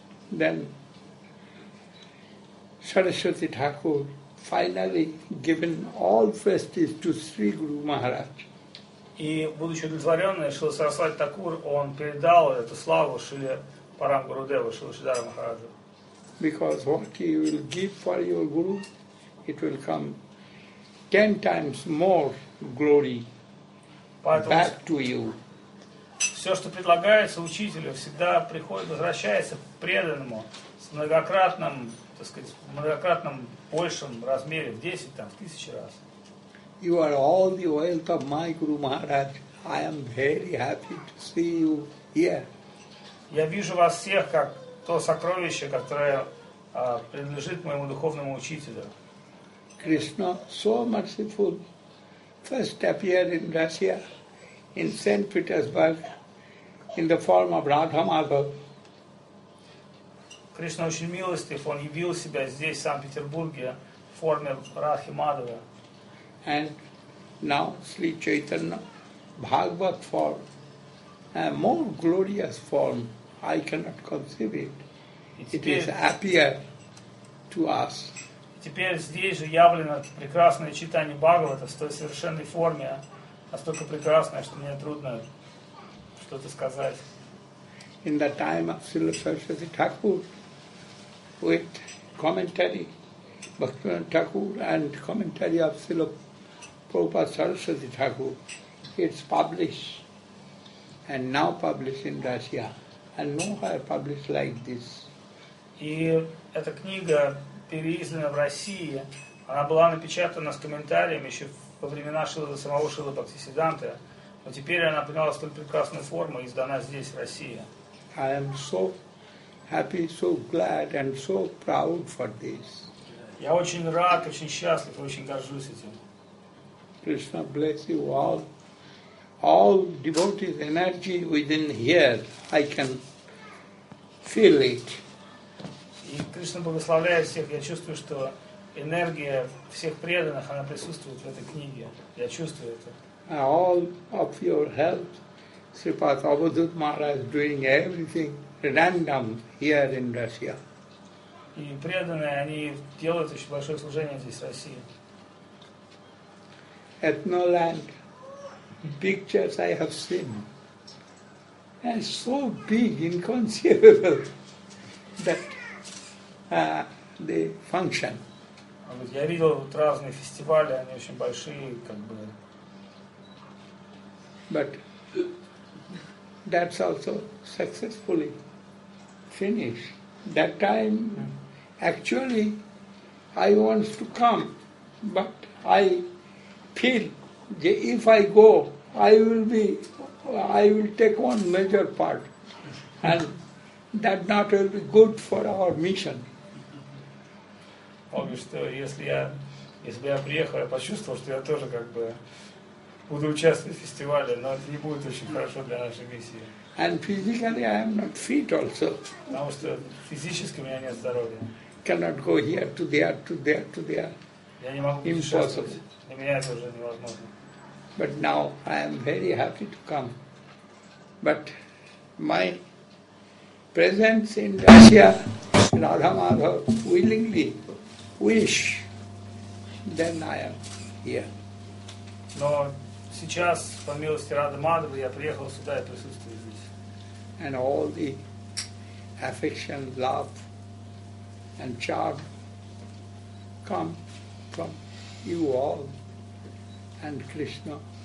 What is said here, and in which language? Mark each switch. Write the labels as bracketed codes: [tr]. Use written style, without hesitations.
[en] Then Saraswati Thakur finally given all prestige to Sri Guru Maharaj. [ru] И, будучи удовлетворенным, Шрила Сарасвати Такур, он передал эту славу Шриле Парам Гурудеву, Шрила Шридхара Махараджу. [en] Because what you will give for your guru, it will come 10 times more glory back to you. [ru] Все, что предлагается учителю, всегда приходит, возвращается к преданному с многократным, так сказать, многократным большим размером, в 10, там, в 1000 раз. [en] You are all the wealth of my Guru Maharaj. I am very happy to see you here. [ru] Я вижу вас всех как то сокровище, которое принадлежит моему духовному учителю. [en] Krishna, so merciful, first appeared in Russia, in St. Petersburg, in the form of Radha Madhav. [ru] Krishna очень милостив, он явил себя здесь, в Санкт-Петербурге, в форме Радхи Мадхава. [en] And now Sri Chaitanya Bhagavat form, a more glorious form, I cannot conceive it. It is appear to us. [ru] Теперь здесь же явлено прекрасное читание Бхагавата в столь совершенной форме, настолько прекрасное, что мне трудно что-то сказать. [en] In the time of Srila Saraswati Thakur, with commentary, Bhaktivinoda Thakur and commentary of Srila Prabhupada Saraswati Thakur, it's published and now published in Russia. And Nohaya published like this. [ru] И эта книга переиздана в России. Она была напечатана с комментариями еще во времена самого Шрилы Бхактисиддханты. Но теперь она приняла столь прекрасную форму и издана здесь, в России. [en] I am so happy, so glad and so proud for this. [ru] Я очень рад, очень счастлив, очень горжусь этим. [en] Krishna bless you all. All devotees' energy within here, I can feel it. [ru] И Кришна благословляет всех. Я чувствую, что энергия всех преданных, она присутствует в этой книге. Я чувствую это. [en] And all of your help, Sripad Avadhut Maharaj is doing everything random here in Russia. [ru] И преданные, они делают очень большое служение здесь, в России. [en] Ethnoland, pictures I have seen, and so big, inconceivable, that the function. [ru] Я видел разные фестивали, они очень большие, как бы. [en] But that's also successfully finished. That time, actually, I want to come, but I feel that if I go, I will take one major part, and that not will be good for our mission. [ru] Помню, что если бы я приехал, я почувствовал, что я тоже как бы буду участвовать в фестивале, но это не будет очень хорошо для нашей миссии. [en] And physically I am not fit also. [ru] Потому что физически у меня нет здоровья. [en] Cannot go here to there, to there, to there. [ru] Я не могу путешествовать. Для меня это уже невозможно. [en] But now I am very happy to come. But my presence in Russia, Radha Madhava willingly wish, then I am here. [ru] Но сейчас, по милости Радха Мадхава, я приехал сюда и присутствую здесь. [en] And all the affection, love and charm come from you all and Krishna.